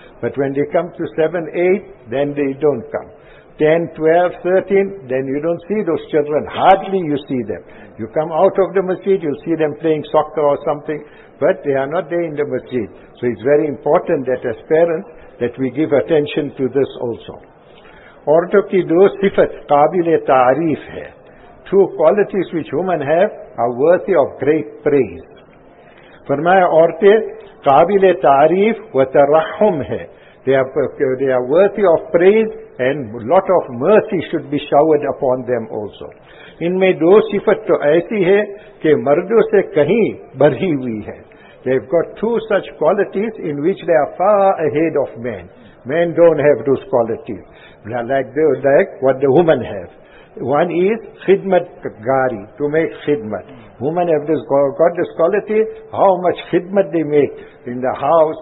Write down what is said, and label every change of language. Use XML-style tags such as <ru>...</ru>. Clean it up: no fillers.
<en>But when they come to 7, 8, then they don't come. 10, 12, 13, then you don't see those children. Hardly you see them. You come out of the masjid, you see them playing soccer or something, but they are not there in the masjid. So it's very important that as parents that we give attention to this also.</en> <ur>عورتوں کی دو صفت قابل تعریف ہے.</ur> <en>Two qualities which women have are worthy of great praise.</en> <ur>فرمایا عورتیں قابل تعریف و ترحم ہے.</ur> <en>They are worthy of praise and lot of mercy should be showered upon them also.</en> <ur>ان میں دو صفت تو ایسی ہے کہ مردوں سے کہیں بڑھی ہوئی ہے.</ur> <en>They've got two such qualities in which they are far ahead of men. Men don't have those qualities. Like what the women have. One is khidmat gari, to make khidmat. Women have this, got this quality, how much khidmat they make in the house.</en>